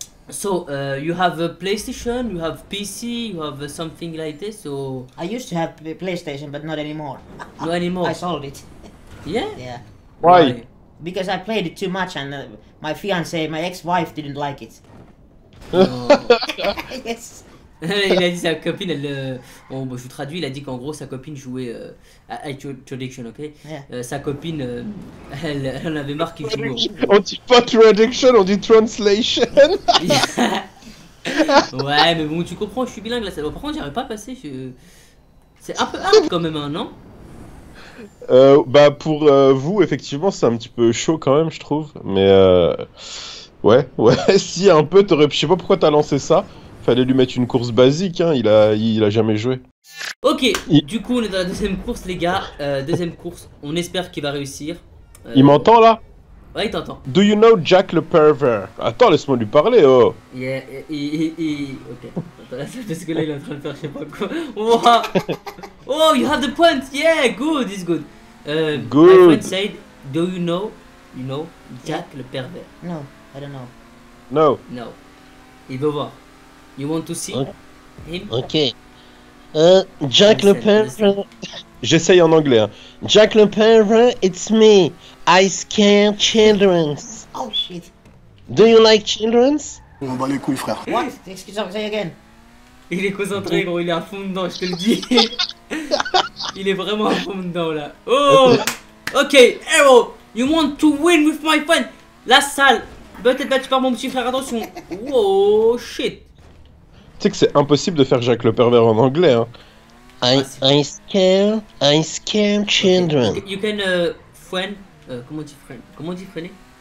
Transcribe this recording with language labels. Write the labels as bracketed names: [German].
[English] So, you have a PlayStation, you have PC, you have something like this, so... I used to have a PlayStation, but not anymore. No anymore? I sold it. Yeah? Yeah. Why? Because I played it too much and my fiancé, my ex-wife didn't like it. No. Yes. [French] Il a dit sa copine, elle. Bon, bon, je traduis, il a dit qu'en gros sa copine jouait. Introduction, ok? Sa copine, elle avait marre qu'il joue. On dit pas traduction, on dit translation! Ouais, mais bon, tu comprends, je suis bilingue là. Bon, par contre, j'arrive pas à passer. C'est un peu hard quand même, hein, non? Bah, pour vous, effectivement, c'est un petit peu chaud quand même, je trouve. Mais. Ouais, si, un peu, t'aurais. Je sais pas pourquoi t'as lancé ça. Fallait lui mettre une course basique, hein. Il a jamais joué. Ok, du coup on est dans la deuxième course les gars, deuxième course, on espère qu'il va réussir. Il m'entend là? Ouais, il t'entend. [English] Do you know [French] Jack le pervers? Attends, laisse-moi lui parler, oh. Ok, attends, parce que là il est en train de faire je sais pas quoi. [English] Oh, you have the point, yeah, good, it's good. Good. My friend said, do you know Jack le pervers? No, I don't know. No. No. [French] Il veut voir. [English] You want to see him? Ok. Jack le pervers. [French] J'essaye en anglais. Hein. [English] Jack le pervers, it's me. I scare children. Oh shit. Do you like children? [French] On va les couilles, frère. [English] What? Excuse me again. [French] Il est concentré, gros. Il est à fond dedans, je te le dis. Il est vraiment à fond dedans, là. Oh! [English] Ok, Arrow, you want to win with my friend? [French] La salle. Peut-être battu par mon petit frère, attention. Oh shit. Que c'est impossible de faire Jacques le pervers en anglais. Hein. [English] I scare children. Okay. You can friend. [French] Comment on dit freiner?